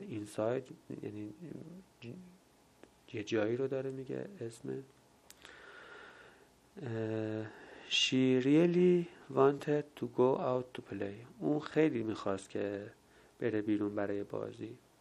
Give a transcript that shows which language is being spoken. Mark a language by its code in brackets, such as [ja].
[fa] Inside یعنی یه جایی رو داره میگه اسم. [en] She really wanted to go out to play. [fa] اون خیلی میخواست که بره بیرون برای بازی.